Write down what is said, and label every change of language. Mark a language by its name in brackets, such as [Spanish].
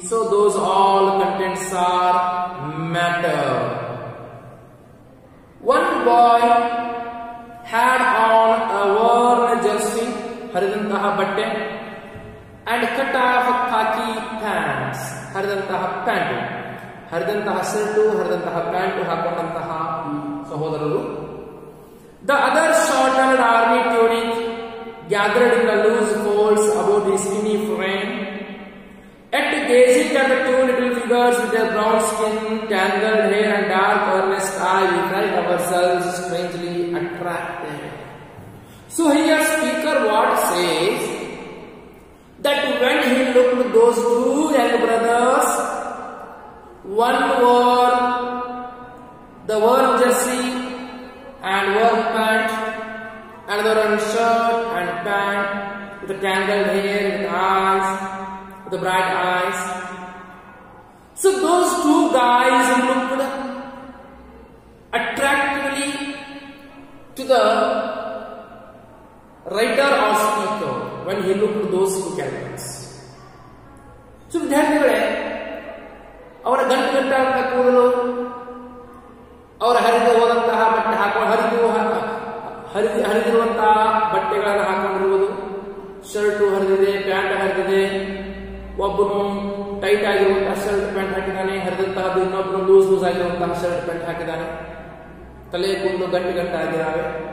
[English] So those all contents are matter. One boy had on a worn jersey, [Kannada] haridantaha batte, [English] and cut off khaki pants, [Kannada] haridantaha pant. ಹರಿದಂತಹ shirt ಹರಿದಂತಹ pant ಹಾಕೊಂಡಂತಹ ಸಹೋದರರು. [English] The other shirt and army tunic gathered in the loose folds about his skinny frame, at gazing at the two little figures with their brown skin tangled hair and dark earnest eye, we felt ourselves strangely attracted. So here speaker what says that when he looked those two young brothers, one wore the worn jersey and worn pant, another on shirt and pant with the tangled hair and eyes with the bright eyes. So those two guys looked attractively to the writer or speaker when he looked at those two characters. So that way [Kannada] ಅವರ ಗಂಟು ಗಂಟಾದಂತಹ ಕೂದಲು, ಅವರ ಹರಿದು ಹೋದಂತಹ ಬಟ್ಟೆ ಹಾಕೊಂಡು ಹರಿದಿರುವಂತಹ ಬಟ್ಟೆಗಳನ್ನು ಹಾಕೊಂಡಿರುವುದು, shirt ಹರಿದಿದೆ, pant ಹರಿದಿದೆ, ಒಬ್ಬನು ಟೈಟ್ ಆಗಿರುವಂತಹ ಶರ್ಟ್ ಪ್ಯಾಂಟ್ ಹಾಕಿದ್ದಾನೆ, ಹರಿದಂತಹದ್ದು ಇನ್ನೊಬ್ಬನು ಲೂಸ್ ಲೂಸ್ ಆಗಿರುವಂತಹ ಶರ್ಟ್ ಪ್ಯಾಂಟ್ ಹಾಕಿದ್ದಾನೆ, ತಲೆ ಕೂದಲು ಗಂಟು ಗಂಟಾಗಿದ್ದಾವೆ.